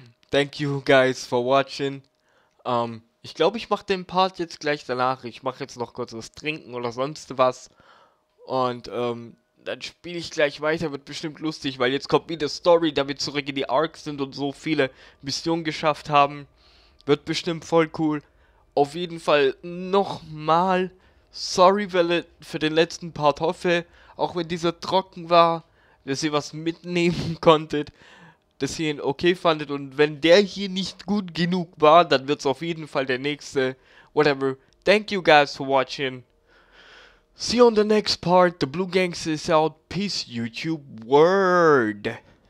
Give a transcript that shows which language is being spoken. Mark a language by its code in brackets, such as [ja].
[en] Thank you guys for watching. [de] Ich glaube, ich mache den Part jetzt gleich danach. Ich mache jetzt noch kurz was trinken oder sonst was. Und dann spiele ich gleich weiter. Wird bestimmt lustig, weil jetzt kommt wieder Story, da wir zurück in die Ark sind und so viele Missionen geschafft haben. Wird bestimmt voll cool. Auf jeden Fall nochmal sorry für den letzten Part. Hoffe, auch wenn dieser trocken war, dass ihr was mitnehmen konntet. Dass ihr ihn okay fandet und wenn der hier nicht gut genug war, dann wird's auf jeden Fall der nächste. [en] Whatever. Thank you guys for watching. See you on the next part. The Blue Gangs is out. Peace, YouTube World.